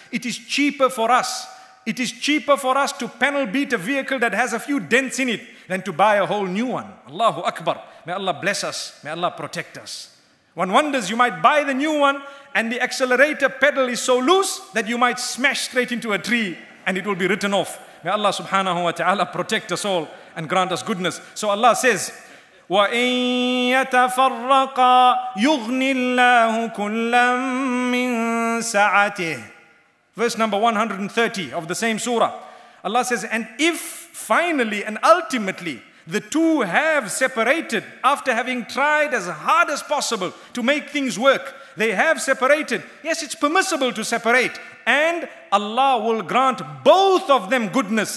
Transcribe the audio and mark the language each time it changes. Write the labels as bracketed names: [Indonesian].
[English] It is cheaper for us. It is cheaper for us to panel beat a vehicle that has a few dents in it than to buy a whole new one. Allahu Akbar. May Allah bless us. May Allah protect us. One wonders, you might buy the new one and the accelerator pedal is so loose that you might smash straight into a tree and it will be written off. May Allah subhanahu wa ta'ala protect us all and grant us goodness. So Allah says, [Arabic] وَإِن يَتَفَرَّقَا يُغْنِ اللَّهُ كُلًّا مِّن سَعَتِهِ. [English] Verse number 130 of the same surah. Allah says, and if finally and ultimately the two have separated after having tried as hard as possible to make things work, they have separated. Yes, it's permissible to separate. And Allah will grant both of them goodness.